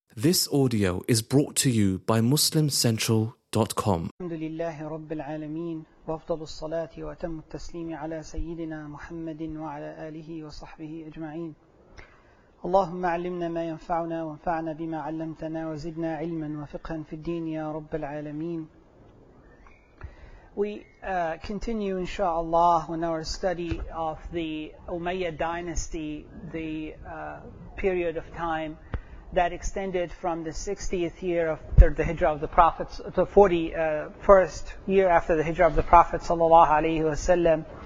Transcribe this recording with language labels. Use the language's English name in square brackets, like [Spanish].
[English] This audio is brought to you by MuslimCentral.com. [Arabic] الحمد لله رب العالمين وأفضل الصلاة وأتم التسليم على سيدنا محمد وعلى آله وصحبه أجمعين. اللهم علمنا ما ينفعنا وانفعنا بما علمتنا وزدنا علما وفقها في الدين يا رب العالمين. [English] We continue, inshallah, in our study of the Umayyad dynasty, the period of time that extended from the 60th year after the Hijrah of the Prophet, the 41st year after the Hijrah of the Prophet, sallallahu alayhi wa sallam,